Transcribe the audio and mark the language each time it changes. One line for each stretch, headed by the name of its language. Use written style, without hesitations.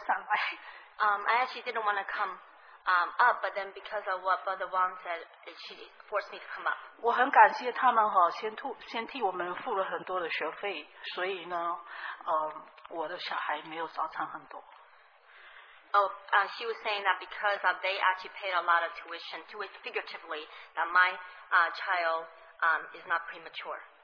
English: I actually didn't want to come up, but then because of what Brother Wong said, she forced me to come up.
Chinese: 我很感谢他们先替我们付了很多的学费，所以呢，我的小孩没有早产很多。
English: She was saying that because of they actually paid a lot of tuition, figuratively, that my child is not premature.